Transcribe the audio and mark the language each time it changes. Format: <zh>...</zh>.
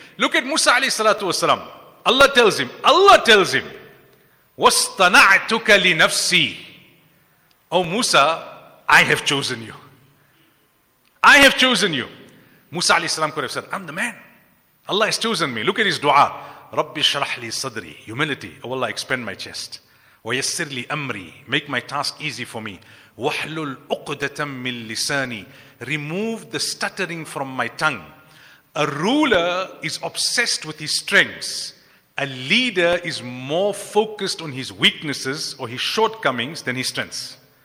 <en>Look at Musa alayhi salatu wasalam. Allah tells him,</en> <ar>وَاسْتَنَعْتُكَ لِنَفْسِي</ar> <en>Oh Musa, I have chosen you. I have chosen you. Musa alayhi salam could have said, I'm the man. Allah has chosen me. Look at his dua.</en> <ar>رَبِّ شَرَحْ لِي صَدْرِي</ar> <en>Humility. Oh Allah, expand my chest.</en> <ar>وَيَسِّرْ لِي أَمْرِي</ar> <en>Make my task easy for me.</en> <ar>وَحْلُلْ أُقْدَةً مِّن لِسَانِي</ar> <en>Remove the stuttering from my tongue. A ruler is obsessed with his strengths. A leader is more focused on his weaknesses or his shortcomings than his strengths.</en>